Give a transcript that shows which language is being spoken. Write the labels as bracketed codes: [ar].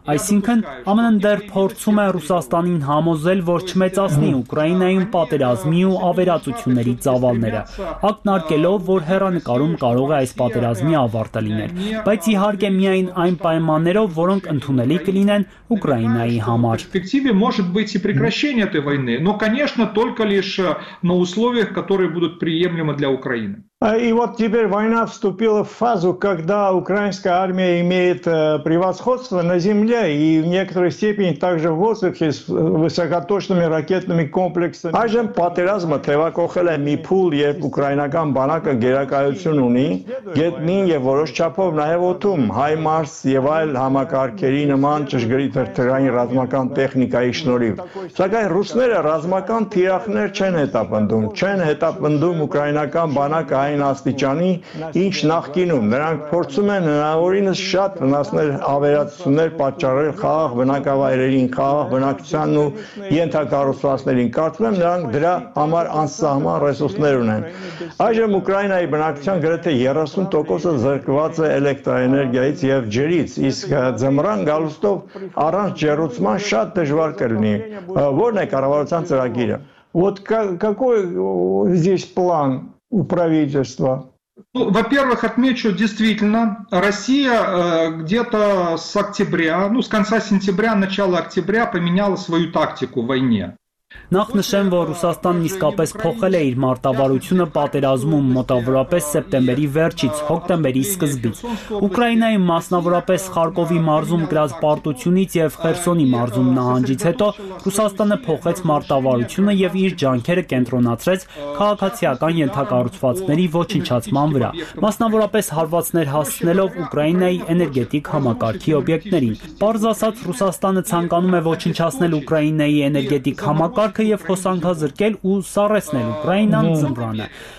[hy] Այսինքն, ԱՄՆ-ն դեռ փորձում է Ռուսաստանին համոզել, որ չմեծացնի Ուկրաինայում պատերազմի ու ավերածությունների ծավալները, ակնարկելով, որ հեռանկարում կարող է այս պատերազմի ավարտը լինել, բայց իհարկե միայն այն պայմաններով, որոնք ընդունելի կլինեն Ուկրաինայի համար։ [ru] Перспективе может быть и прекращение этой войны, но, конечно, только лишь на условиях, которые будут приемлемы для Украины. И вот теперь война вступила в фазу, когда украинская армия имеет превосходство на земле и в некоторой степени также в воздухе с высокоточными ракетными комплексами. [hy] Այժմ պատերազմը թևակողել է մի փուլ, երբ ուկրաինական բանակը գերակայություն ունի, գետնին եւ որոշ չափով նաեւ օդում, հայմարս եւ այլ համակարգերի նման ճշգրիտ թռչային ռազմական տեխնիկայի շնորհիվ։ Սակայն ռուսները ռազմական թիրախներ չեն հետապնդում ուկրաինական բանակը այն աստիճանի, ինչ նախկինում, նրանք փորձում են հնարավորինս շատ վնասներ, ավերածություններ պատճառել խաղաղ բնակավայրերին, խաղաղ բնակչության ու ենթակառուցվածքներին, կարծում եմ նրանք դրա համար անսահման ռեսուրսներ ունեն։ Այժմ Ուկրաինայի բնակչության գրեթե 30%-ը զրկված է էլեկտրաէներգիայից և ջրից, իսկ ձմռան գալուստով առանց ջեռուցման շատ դժվար կլինի։ Որն է կառավարության ծրագիրը? [ru] Вот какой здесь план у правительства? Ну, во-первых, отмечу, действительно, Россия где-то с октября, ну, с конца сентября, начала октября поменяла свою тактику в войне. [hy] Նախ նշեմ, որ Ռուսաստանն իսկապես փոխել է իր մարտավարությունը պատերազմում մոտավորապես սեպտեմբերի վերջից հոկտեմբերի սկզբից։ Ուկրաինայի մասնավորապես Խարկովի մարզում գրած պարտությունից եւ Խերսոնի մարզում նահանջից հետո Ռուսաստանը փոխեց մարտավարությունը եւ իր ջանքերը կենտրոնացրեց քաղաքացիական ենթակառուցվածքների ոչնչացման վրա, մասնավորապես հարվածներ հասցնելով Ուկրաինայի էներգետիկ համակարգի օբյեկտներին։ Պարզ ասած, Ռուսաստանը ցանկանում է ոչնչացնել Ուկրաինայի էներգետիկ համակարգը եւ խոսանքազրկել ու սառեցնել Ուկրաինան ձմռանը։